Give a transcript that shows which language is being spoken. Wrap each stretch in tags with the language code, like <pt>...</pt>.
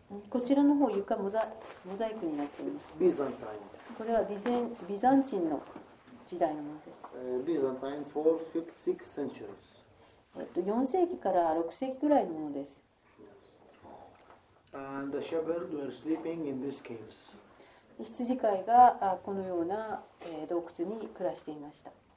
<ja>こちらの方床モザイクになっています。これはビザンチンの時代のものです。</ja> <en>Byzantine for 56 centuries.</en> <ja>4世紀から6世紀くらいのものです。</ja> <en>And the shepherds were sleeping in these caves.</en> <ja>羊飼いがこのような洞窟に暮らしていました。</ja>